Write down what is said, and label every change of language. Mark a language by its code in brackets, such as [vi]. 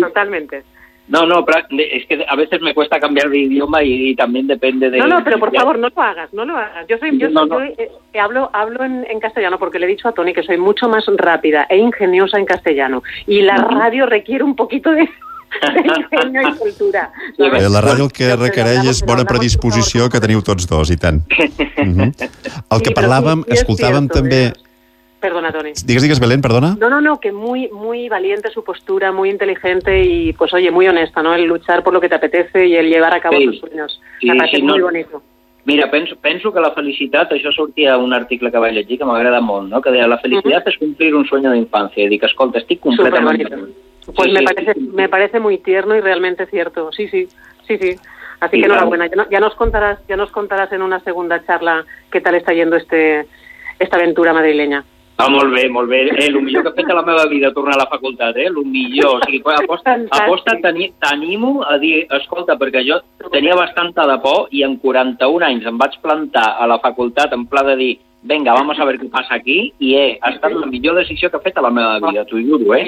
[es] Totalmente. No, es que a veces me cuesta cambiar de idioma y también depende de... No, pero por favor, no lo hagas. Yo hablo en castellano porque le he dicho a Tony que soy mucho más rápida e ingeniosa en castellano. Y la radio requiere un poquito de ingenio y cultura. [ca] La radio que requereix és bona predisposició, que teniu tots dos, i tant. El que parlàvem, escoltàvem també... Perdona, Toni. Digues, Belén, perdona. [es] No, que muy, muy valiente su postura, muy inteligente y, pues oye, muy honesta, ¿no? El luchar por lo que te apetece y el llevar a cabo tus sueños. Muy bonito. [ca] Mira, penso que la felicitat, això sortia un article que vaig llegir que m'agrada molt, ¿no? Que deia, la felicitat es complir [es] un sueño de infancia. [ca] Y dic, escolta, estic completament... [es] Pues sí, me parece muy tierno y realmente cierto. Sí. Así que enhorabuena. Ya nos contarás en una segunda charla qué tal está yendo esta aventura madrileña. [ca] Ah, molt bé. El millor que he fet a la meva vida, tornar a la facultat, el millor. O sigui, aposta, t'animo a dir, escolta, perquè jo tenia bastanta de por i en 41 anys em vaig plantar a la facultat en pla de dir, [es] venga, vamos a ver [ca] què passa aquí, i ha estat la millor decisió que he fet a la meva vida, t'ho juro, eh?